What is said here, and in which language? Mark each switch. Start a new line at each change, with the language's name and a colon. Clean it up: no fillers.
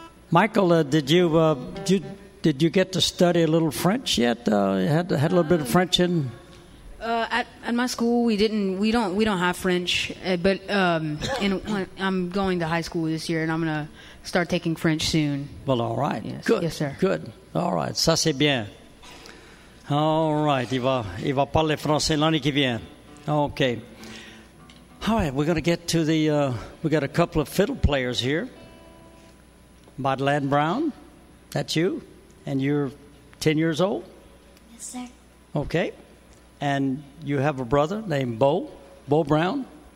English: Michael, did you get to study a little French yet? Had a little bit of French in? At my school, we don't have French, but I'm going to high school this year, and I'm gonna start taking French soon. Well, all right, yes. Good, yes, sir. Good, all right.
French: Ça c'est bien. All right, il va parler français l'année qui vient.
English: Okay. All right, we're going to get to the, we got a couple of fiddle players here. Madeleine Brown, that's you, and you're 10 years old? Yes, sir. Okay, and you have a brother named Bo Brown?